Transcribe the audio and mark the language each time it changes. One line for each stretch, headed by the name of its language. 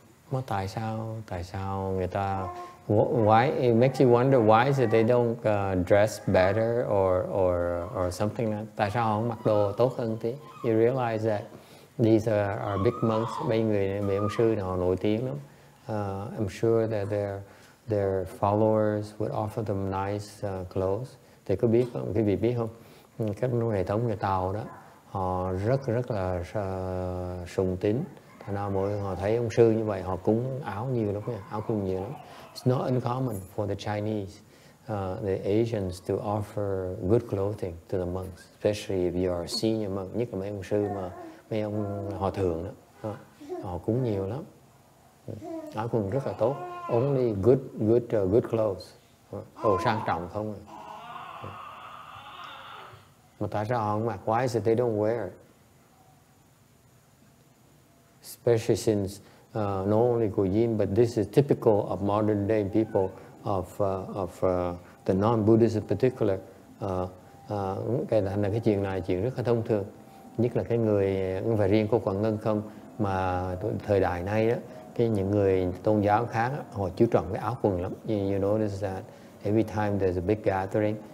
Vietnamese: Mà tại sao người ta
English: why it makes you wonder why is it they don't dress better or something like that?
Vietnamese: Tại sao họ không mặc đồ tốt hơn tí?
English: You realize that these are big monks,
Vietnamese: mấy ông sư họ nổi tiếng lắm.
English: I'm sure that their followers would offer them nice clothes.
Vietnamese: Thì có biết không? Quý vị biết không? Các hệ thống người Tàu đó họ rất rất là sùng tín. Thành ra mỗi họ thấy ông sư như vậy họ cúng áo nhiều lắm nha, áo cúng nhiều lắm.
English: It's not uncommon for the Chinese, the Asians to offer good clothing to the monks, especially if you are a senior monk,
Vietnamese: nhất là mấy ông sư mà mấy ông hòa thượng đó, họ cúng nhiều lắm, áo quần rất là tốt,
English: only good clothes,
Vietnamese: sang trọng không. Mà tại sao họ không mặc?
English: Why is it they don't wear? Especially since not only Guyin, but this is typical of modern day people of the non-Buddhists in particular.
Vietnamese: Cái chuyện này chuyện rất là thông thường, nhất là cái người không phải riêng cô Quảng Ngân không, mà thời đại nay đó, cái những người tôn giáo khác họ chú trọng cái áo quần lắm.
English: You notice that every time there's a big gathering,